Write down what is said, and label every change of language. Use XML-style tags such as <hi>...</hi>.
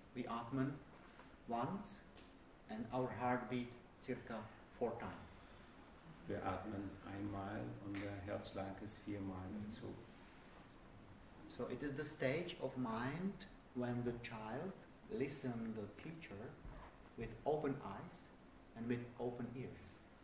<en>We atmen once and our heartbeat circa 4 times.</en> <de>Wir atmen einmal und der Herzschlag ist 4-mal dazu.</de> <en>So it is the stage of mind when the child listens the teacher with open eyes and with open ears.</en>